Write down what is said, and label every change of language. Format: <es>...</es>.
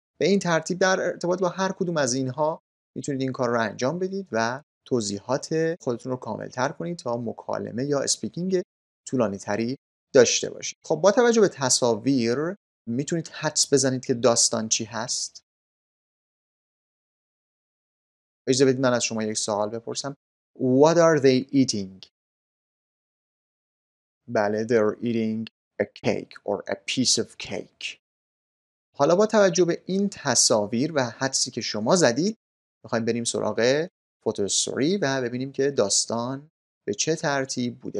<fa>به این ترتیب در ارتباط با هر کدوم از اینها میتونید این کار رو انجام بدید و توضیحات خودتون رو کامل تر کنید تا مکالمه یا اسپیکینگ طولانی تری داشته باشید. خب با توجه به تصاویر میتونید حدس بزنید که داستان چی هست؟ اجازه بدید من از شما یک سوال بپرسم.</fa> <en>What are they eating؟ بله، they're eating a cake or a piece of cake.</en> <fa>حالا با توجه به این تصاویر و حدسی که شما زدید میخواییم بریم سراغ فوتو استوری و ببینیم که داستان به چه ترتیب بوده.</fa>